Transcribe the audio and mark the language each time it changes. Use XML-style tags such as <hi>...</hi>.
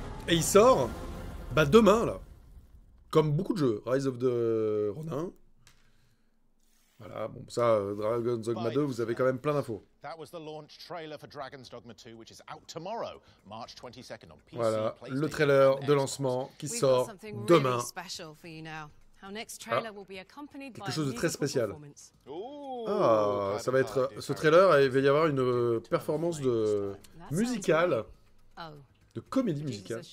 <fr>Et il sort bah demain là. Comme beaucoup de jeux. Rise of the Ronin. Voilà, bon, ça, Dragon's Dogma 2, vous avez quand même plein d'infos.</fr> <en>That was the launch trailer for Dragon's Dogma 2, which is out tomorrow, March 22nd on PC.</en> <fr>Voilà, le trailer de lancement qui sort demain. Quelque chose de très spécial. Ah, ça va être ce trailer, il va y avoir une performance de musicale, de comédie musicale.</fr>